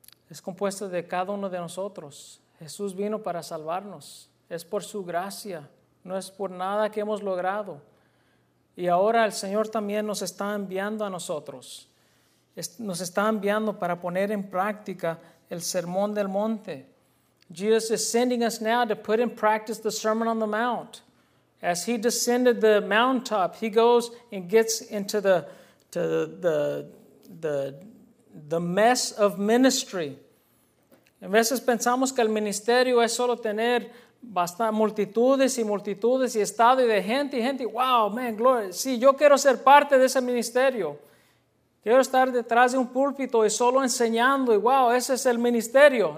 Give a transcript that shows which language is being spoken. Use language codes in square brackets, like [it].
[es] Es compuesta de cada uno de nosotros. Jesús vino para salvarnos. Es por su gracia. No es por nada que hemos logrado. Y ahora el Señor también nos está enviando a nosotros. Nos está enviando para poner en práctica el Sermón del Monte. [en] Jesus is sending us now to put in practice the Sermon on the Mount. As he descended the mountaintop, he goes and gets into the mess of ministry. [es] A veces pensamos que el ministerio es solo tener multitudes y multitudes y estado y de gente y gente. [en] Wow, man, glory. [es] Sí, yo quiero ser parte de ese ministerio. Quiero estar detrás de un púlpito y solo enseñando. Y wow, ese es el ministerio.